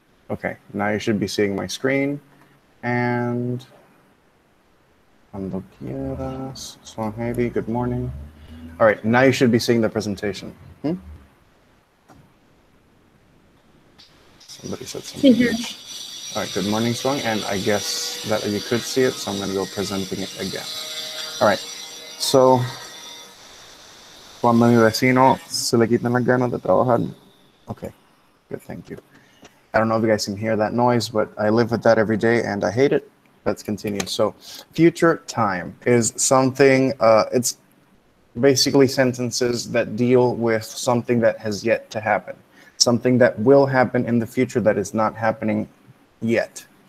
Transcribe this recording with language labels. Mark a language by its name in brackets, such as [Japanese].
[English] Okay, now you should be seeing my screen. And [Spanish] cuando quieras, [English] Swan Heavy, good morning. All right, now you should be seeing the presentation. Somebody said something. Mm-hmm. All right, good morning, Swan. And I guess that you could see it, so I'm going to go presenting it again. All right, so [Spanish] cuando mi vecino se le quitan las ganas de trabajar. [English] Okay, good, thank you. I don't know if you guys can hear that noise, but I live with that every day and I hate it. Let's continue. So future time is something, it's basically sentences that deal with something that has yet to happen, something that will happen in the future that is not happening yet.